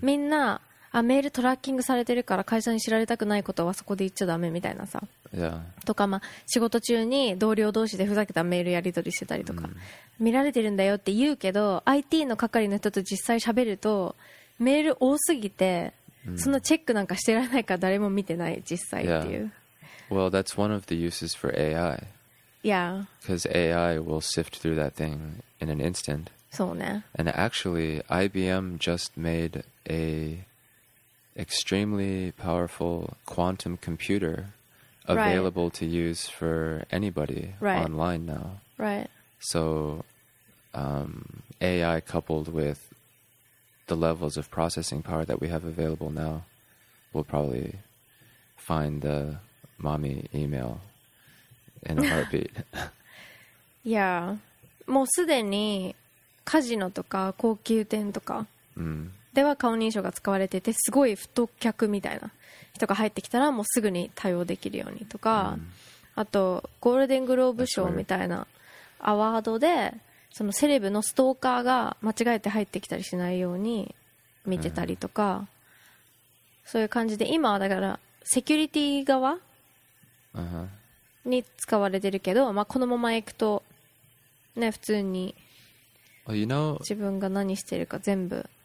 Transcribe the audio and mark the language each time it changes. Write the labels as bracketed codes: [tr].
[ja] みんなあメールトラッキングされてるから会社に知られたくないことはそこで言っちゃダメみたいなさ、 [en] yeah. [ja] とか、まあ、仕事中に同僚同士でふざけたメールやり取りしてたりとか、mm. 見られてるんだよって言うけど IT の係の人と実際喋るとメール多すぎて、mm. そのチェックなんかしてられないから誰も見てない実際っていう、 [en] yeah. Well, that's one of the uses for AI. Yeah. Because AI will sift through that thing in an instant. [ja] そうね。 [en] And actually, IBM just made aextremely powerful quantum computer available right. to use for anybody right. online now. Right. So AI coupled with the levels of processing power that we have available now will probably find the mommy email in a heartbeat. yeah. [ja] もうすでにカジノとか高級店とか。 [en] Mm. [ja] では顔認証が使われててすごい不特客みたいな人が入ってきたらもうすぐに対応できるようにとか、mm. あとゴールデングローブ賞みたいなアワードでそのセレブのストーカーが間違えて入ってきたりしないように見てたりとか、そういう感じで今はだからセキュリティ側に使われてるけど、まあ、このまま行くとね普通に自分が何してるか全部